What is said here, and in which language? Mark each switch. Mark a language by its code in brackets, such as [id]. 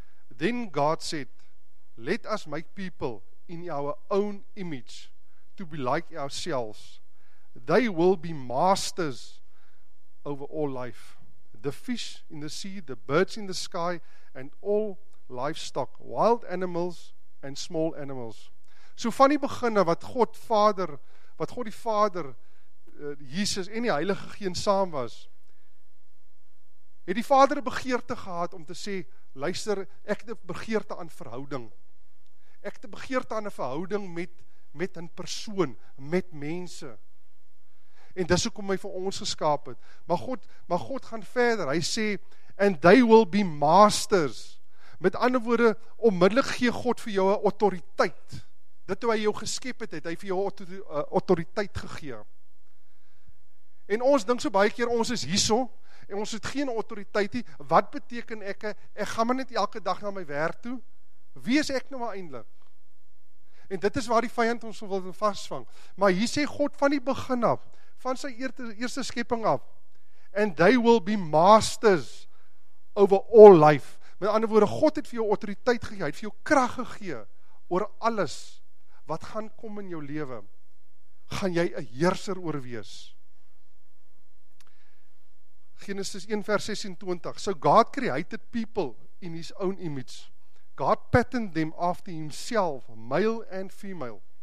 [en] Then God said, "Let us make people in our own image to be like ourselves. They will be masters over all life. The fish in the sea, the birds in the sky, and all livestock, wild animals and small animals." [af] So van die beginne wat God die Vader, Jesus en die Heilige Gees saam was, het die Vader 'n begeerte gehad om te sê, luister, ek het 'n begeerte aan verhouding. Ek het 'n begeerte aan 'n verhouding met 'n persoon, met mense. En dis hoekom hy vir ons geskaap het. Maar God gaan verder. Hy sê, [en] "And they will be masters." [af] Met ander woorde, onmiddellik gee God vir jou 'n autoriteit. Dit toe hy jou geskep het, hy vir jou 'n autoriteit gegee. En ons dink so baie keer ons is hierso en ons het geen autoriteit nie. Wat beteken ek gaan maar net elke dag na my werk toe? Wie is ek nou eintlik? En dit is waar die vyand ons wil vasvang. Maar hier sê God van die begin af, van sy eerste skepping af, [en] "And they will be masters over all life." [af] Met ander woorde, God het vir jou autoriteit gegee, hy het vir jou krag gegee oor alles wat gaan kom in jou lewe. Gaan jy 'n heerser oor wees. Genesis 1 vers 26. [en] So God created people in his own image. God patterned them after himself, male and female.